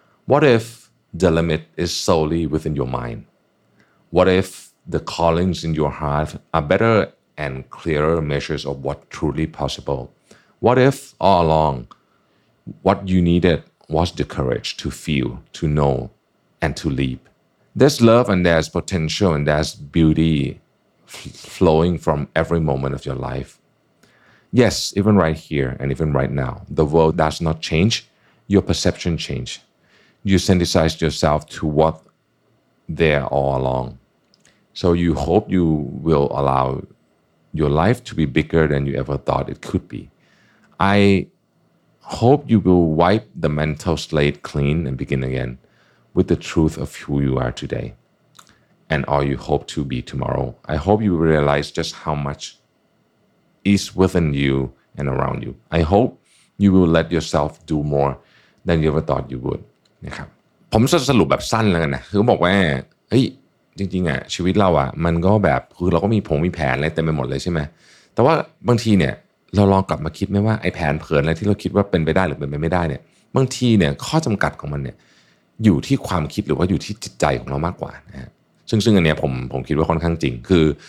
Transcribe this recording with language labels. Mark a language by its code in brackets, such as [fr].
[en] what if the limit is solely within your mind what if the callings in your heart are better and clearer measures of what truly possible what if all along what you neededWas the courage to feel, to know, and to leap. There's love and there's potential and there's beauty flowing from every moment of your life. Yes, even right here and even right now, the world does not change. Your perception changes. You synthesize yourself to what there all along. So you hope you will allow your life to be bigger than you ever thought it could be. I hope you will wipe the mental slate clean and begin again with the truth of who you are today and all you hope to be tomorrow. I hope you realize just how much is within you and around you. I hope you will let yourself do more than you ever thought you would. [th] นะครับผมสรุปแบบสั้นแล้วกันนะคือบอกว่าเฮ้ยจริงๆอ่ะชีวิตเราอ่ะมันก็แบบคือเราก็มีผงมีแผนอะไรเต็มไปหมดเลยใช่ไหมแต่ว่าบางทีเนี่ยเราลองกลับมาคิดไหมว่าไอ้แผนเผินอะไรที่เราคิดว่าเป็นไปได้หรือเป็นไปไม่ได้เนี่ยบางทีเนี่ยข้อจำกัดของมันเนี่ยอยู่ที่ความคิดหรือว่าอยู่ที่จิตใจของเรามากกว่านะฮะซึ่งอันเนี้ยผมคิดว่าค่อนข้างจริงคือ